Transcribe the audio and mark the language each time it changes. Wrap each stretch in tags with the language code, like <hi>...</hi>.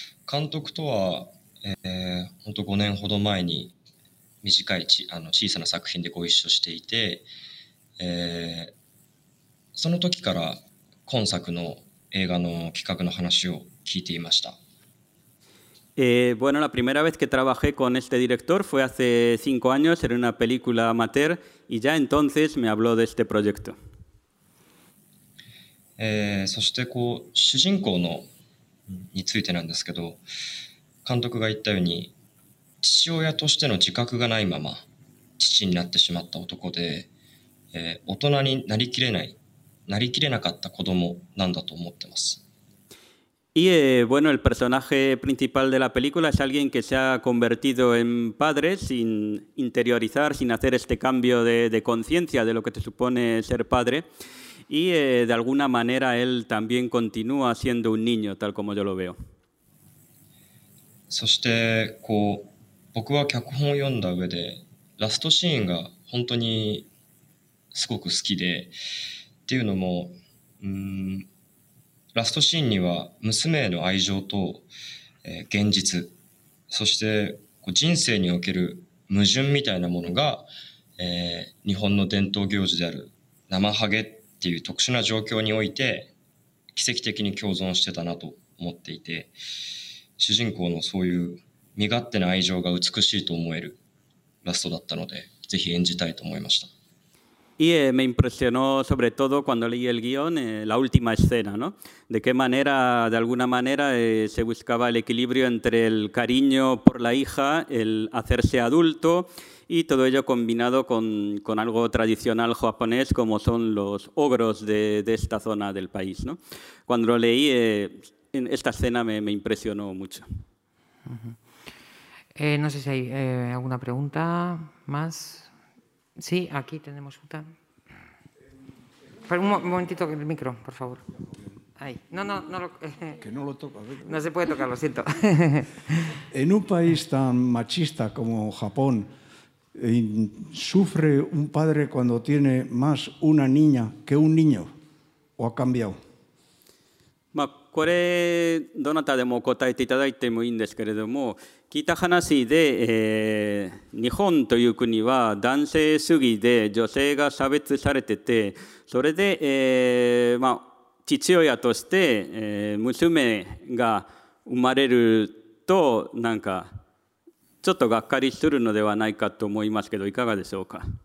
<ja>監督とは本当、5年ほど前に短い小さな作品でご一緒していて、その時から今作の映画の企画の話を聞いていました。</ja> <es>Bueno, la primera vez que trabajé con este director fue hace 5 años, en una película amateur, y ya entonces me habló de este proyecto.</es> <ja>そしてこう主人公のについてなんですけど、監督が言ったように、父親としての自覚がないまま父になってしまった男で、大人になりきれない、なりきれなかった子供なんだと思ってます。</ja> <es>Y bueno, el personaje principal de la película es alguien que se ha convertido en padre sin interiorizar, sin hacer este cambio de conciencia de lo que se supone ser padre. Y de alguna manera él también continúa siendo un niño, tal como yo lo veo.</es> <ja>そしてこう僕は脚本を読んだ上でラストシーンが本当にすごく好きでっていうのも、ラストシーンには娘への愛情と、現実そしてこう人生における矛盾みたいなものが、日本の伝統行事であるナマハゲっていう特殊な状況において奇跡的に共存してたなと思っていて主人公のそういう身勝手な愛情が美しいと思えるラストだったので、ぜひ演じたいと思いました。</ja> <es>Y me impresionó sobre todo cuando leí el guión, la última escena, ¿no? De qué manera, de alguna manera, se buscaba el equilibrio entre el cariño por la hija, el hacerse adulto y todo ello combinado con algo tradicional japonés como son los ogros de esta zona del país, ¿no? Cuando lo leí, esta escena me impresionó mucho. Uh-huh. No sé si hay alguna pregunta más. Sí, aquí tenemos una. Pero un momentito con el micro, por favor. Ahí. Que no lo toco. A ver. No se puede tocar, lo siento. En un país tan machista como Japón, ¿sufre un padre cuando tiene más una niña que un niño? ¿O ha cambiado?</es> <ja>これどなたでも答えていただいてもいいんですけれども聞いた話で、日本という国は男性主義で女性が差別されててそれで、父親として、娘が生まれるとなんかちょっとがっかりするのではないかと思いますけどいかがでしょうか。</ja>